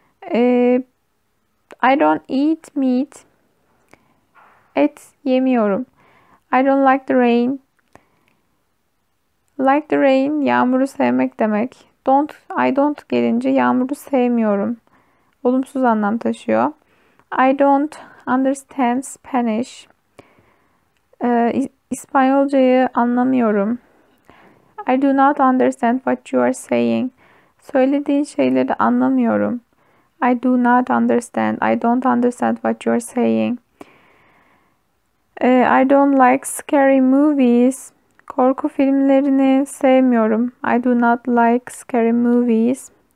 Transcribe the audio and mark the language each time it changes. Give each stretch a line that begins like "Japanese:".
English: I don't eat meat.
Turkish: Et yemiyorum.
English: I don't like the rain. Like the rain
Turkish: yağmuru sevmek demek.
English: I don't
Turkish: gelince yağmuru sevmiyorum. Olumsuz anlam taşıyor.
English: I don't understand Spanish.
Turkish: İspanyolcayı anlamıyorum.
English: I do not understand what you are saying.
Turkish: Söylediğin şeyleri anlamıyorum.
English: I do not understand. I don't understand what you are saying. I don't like scary movies.
Turkish: Korku filmlerini sevmiyorum.
English: I do not like scary movies.